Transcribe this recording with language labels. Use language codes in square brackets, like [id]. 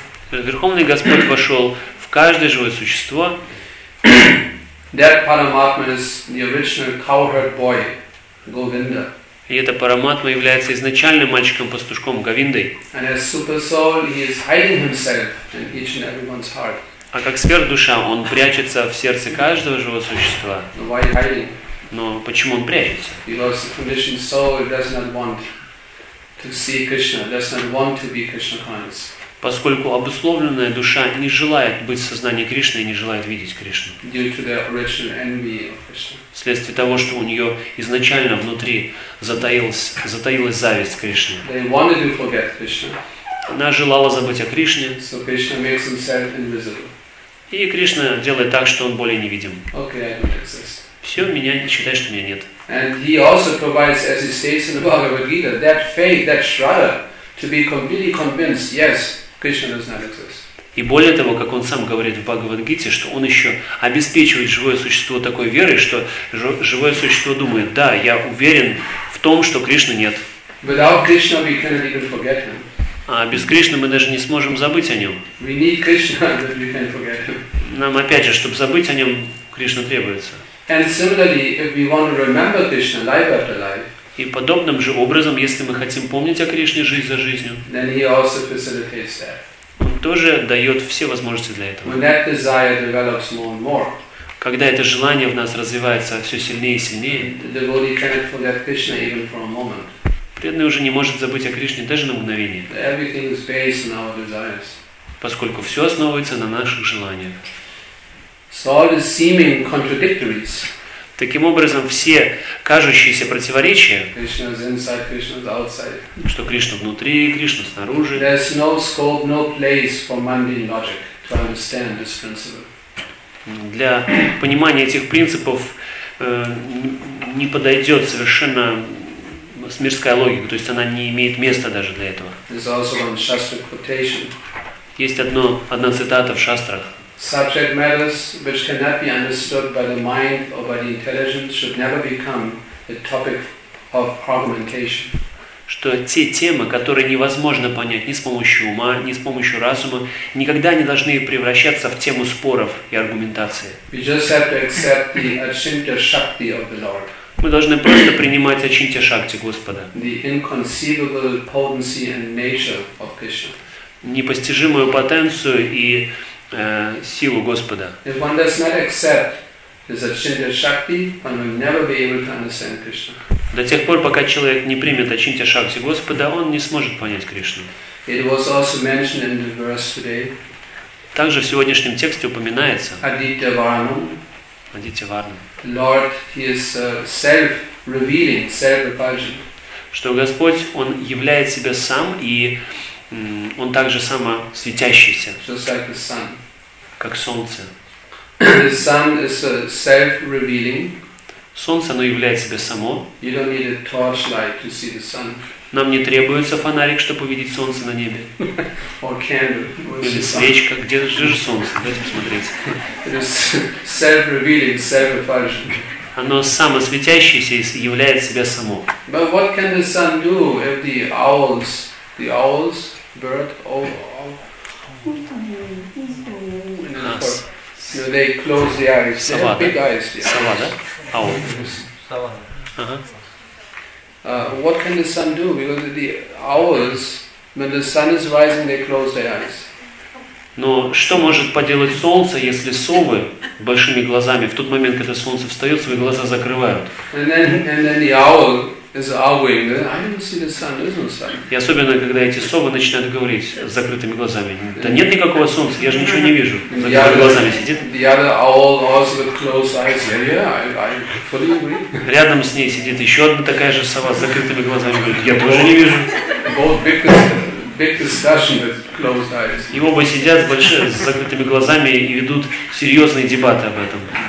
[ru] Верховный Господь вошел в каждое живое существо. [en] That Paramatma is the original cowherd boy, Govinda. [ru] И это Параматма является изначальным мальчиком-пастушком Говиндой. [en] And as super soul, he is hiding himself in each and everyone's heart. [ru] А как сверхдуша, он прячется в сердце каждого живого существа. Но почему он прячется? [en] Because the conditioned soul does not want to see Krishna, does not want to be Krishna conscious. [ru] Поскольку обусловленная душа не желает быть в сознании Кришны и не желает видеть Кришну. [en] Due to the original envy of Krishna. [ru] Вследствие того, что у нее изначально внутри затаилась зависть к Кришне. [en] They wanted to forget Krishna. [ru] Она желала забыть о Кришне. [en] So Krishna makes himself invisible. [ru] И Кришна делает так, что он более невидим. [en] Okay, I don't exist. [ru] Все, меня не считай, что меня нет. [en] And he also provides, as he states in the Bhagavad Gita, that faith, that shraddha, to be completely convinced, yes, Krishna does not exist. [ru] И более того, как он сам говорит в Бхагавад-гите, что он еще обеспечивает живое существо такой верой, что живое существо думает, да, я уверен в том, что Кришны нет. [en] Without Krishna, we cannot even forget him. [ru] А без Кришны мы даже не сможем забыть о нем. [en] We need Krishna, that we can forget him. [ru] Нам опять же, чтобы забыть о нем, Кришна требуется. [en] And similarly, if we want to remember Krishna life after life, [ru] и подобным же образом, если мы хотим помнить о Кришне жизнь за жизнью, [en] then he also facilitates that. [ru] Он тоже дает все возможности для этого. [en] When that desire develops more and more, [ru] когда это желание в нас развивается все сильнее и сильнее, [en] the devotee cannot forget Krishna even for a moment. [ru] Преданный уже не может забыть о Кришне даже на мгновение. [en] Everything is based on our desires. [ru] Поскольку все основывается на наших желаниях. [en] So all the seeming contradictories. [ru] Таким образом, все кажущиеся противоречия, [en] Krishna's inside, Krishna's outside, [ru] что Кришна внутри, Кришна снаружи, [en] there's no scope, no place for mundane logic to understand this principle. [ru] Для понимания этих принципов не подойдет совершенно мирская логика, то есть она не имеет места даже для этого. [en] There's also one Shastra quotation. [ru] Есть одна цитата в шастрах. [en] Subject matters which cannot be understood by the mind or by the intelligence should never become a topic of argumentation. [ru] Что те темы, которые невозможно понять ни с помощью ума, ни с помощью разума, никогда не должны превращаться в тему споров и аргументации. [en] We just have to accept the Achintya Shakti of the Lord. [ru] Мы должны просто принимать Ачинтья Шакти Господа. [en] The inconceivable potency and nature of Krishna. [ru] Непостижимую потенцию и силу Господа. [en] If one does not accept his Achintya Shakti, one will never be able to understand Krishna. [ru] До тех пор, пока человек не примет Ачинтья Шакти Господа, он не сможет понять Кришну. [en] It was also mentioned in the verse today. [ru] Также в сегодняшнем тексте упоминается [sa] Aditya Varanam. Aditya Varanam. [en] Lord, he is self-revealing, self-repulsion. [ru] Что Господь, он являет себя сам и он также само светящийся, [en] just like the sun. [ru] Как солнце. [en] The sun is self-revealing. [ru] Солнце, оно является себя само. [en] You don't need a torchlight to see the sun. [ru] Нам не требуется фонарик, чтобы увидеть солнце на небе. [en] Or candle. [ru] Или свечка. Где же солнце? Давайте посмотреть. [en] It is self-revealing, self-refulgent. [ru] Оно само светящееся и являет себя само. [en] But what can the sun do if the owls, the owls, bird, owl, owl, and so they close the eyes. They [ru] Sava, [en] have big eyes. [ru] Сова, да? [en] Owl. [ru] Сова. [en] What can the sun do? Because the owls, when the sun is rising, they close their eyes. [ru] Но что может поделать солнце, если совы большими глазами в тот момент, когда солнце встает, свои глаза закрывают? [en] And then the owl is owing. I don't see the sun. There's no sun. [ru] И особенно когда эти совы начинают говорить с закрытыми глазами. Да нет никакого солнца. Я же ничего не вижу. Закрытыми глазами сидит. [en] The other owl also with closed eyes. Yeah, I fully agree. [ru] Рядом с ней сидит еще одна такая же сова с закрытыми глазами. Говорит, я тоже не вижу. [en] Both big discussion with closed eyes. [ru] И оба сидят с закрытыми глазами и ведут серьезные дебаты об этом.